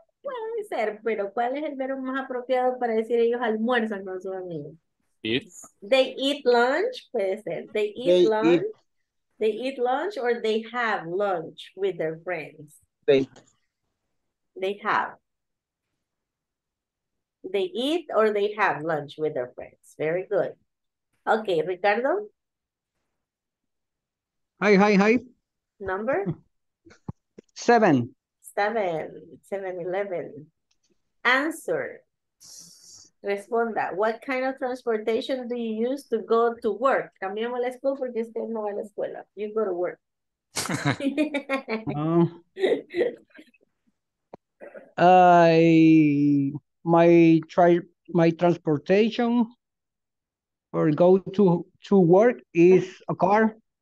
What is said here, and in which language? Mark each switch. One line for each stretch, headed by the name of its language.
Spanish: Puede ser, pero ¿cuál es el verbo más apropiado para decir ellos almuerzan con sus amigos?
English: Eat. They eat lunch,
Spanish: puede ser.
English: They eat lunch or they have lunch with their friends. They eat or they have lunch with their friends. Very good. Okay, Ricardo. Hi. Number? Seven. Seven, 7-Eleven. Answer.
Spanish: Responda.
English: What kind of transportation do you use to go to work?
Spanish: Cambiamos la escuela porque usted no va a la escuela.
English: You go to work. My transportation for go to work is a car.